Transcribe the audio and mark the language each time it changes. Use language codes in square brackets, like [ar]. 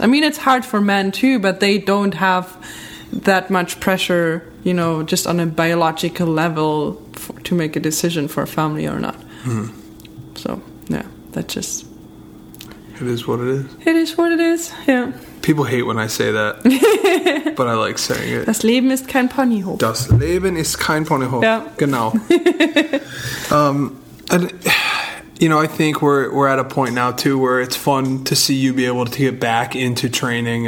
[en] I mean, it's hard for men, too, but they don't have that much pressure, just on a biological level to make a decision for a family or not. Mm-hmm. So, yeah, that's just... It is what it is. It is what it is, yeah. People hate when I say that, but I like saying it. [de] Das Leben ist kein Ponyhof. Das Leben ist kein Ponyhof. [en] Yeah. [de] Genau. [en] And, you know, I think we're at a point now, too, where it's fun to see you be able to get back into training.